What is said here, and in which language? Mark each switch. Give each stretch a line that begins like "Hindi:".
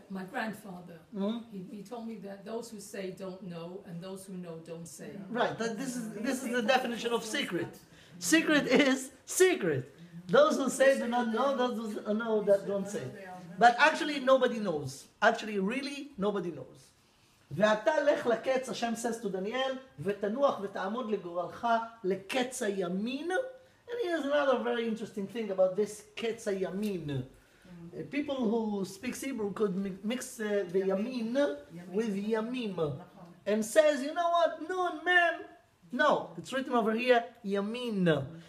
English: My grandfather. Mm-hmm. He told me that those who say don't know and those who know don't say. Right. That this is the definition of secret. Secret is secret. Those who say do not know, those who know that don't say. But actually, nobody knows. Actually, really, nobody knows.
Hebrew: ואתה לך לקץ, השם
English: says to Daniel,
Hebrew: ותנוח ותעמוד לגורלך לקץ הימין.
English: And here's another very interesting thing about this קץ הימין. People who speak Hebrew could mix the ימין with ימים. And says, you know what, noon, man. No, it's written over here, ימין.